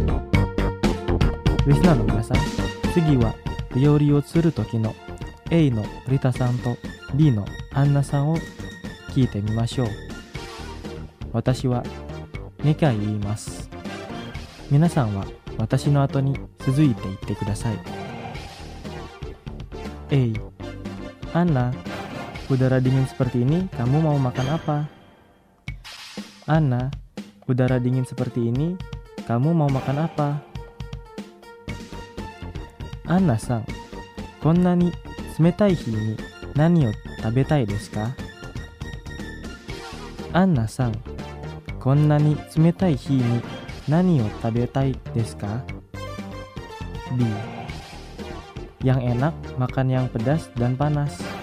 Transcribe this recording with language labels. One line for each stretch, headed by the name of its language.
Japanese: リスナーの皆さん、次は料理をする時の A のリタさんと B のアンナさんを聞いてみましょう。私は2回言います。皆さんは私の後に続いて言ってください。
Indonesian: A、 アンナ、udara dingin seperti ini kamu mau makan apa? アンナ、udara dingin seperti ini kamu mau makan apa?
Japanese: アンナさん、こんなに冷たい日に何を食べたいですか？アンナさん、こんなに冷たい日に何を食べたいですか ？B、
Indonesian: yang enak makan yang pedas dan panas。